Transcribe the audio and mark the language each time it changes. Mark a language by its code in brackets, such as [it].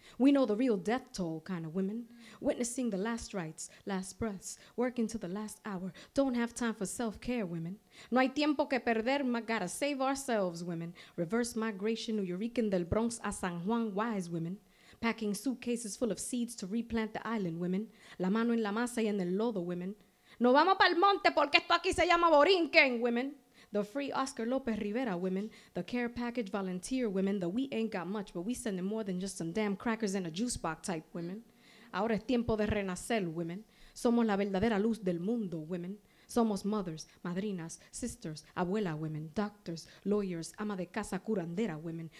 [en] We know the real death toll kind of women. Witnessing the last rites, last breaths, working to the last hour. Don't have time for self-care, women. [es] No hay tiempo que perder, ma gotta save ourselves, [en] women. Reverse migration, New Yorican [es] del Bronx a San Juan, [en] wise women. Packing suitcases full of seeds to replant the island, women. [es] La mano en la masa y en el lodo, [en] women. [es] No vamos pa'l monte porque esto aquí se llama Borinquen, [en] women. The free Oscar Lopez Rivera women, the care package volunteer women, the we ain't got much, but we sending more than just some damn crackers and a juice box type women. [es] Ahora es tiempo de renacer [en] women. [es] Somos la verdadera luz del mundo women. Somos mothers, madrinas, sisters, abuela women, doctors, lawyers, ama de casa, curandera women.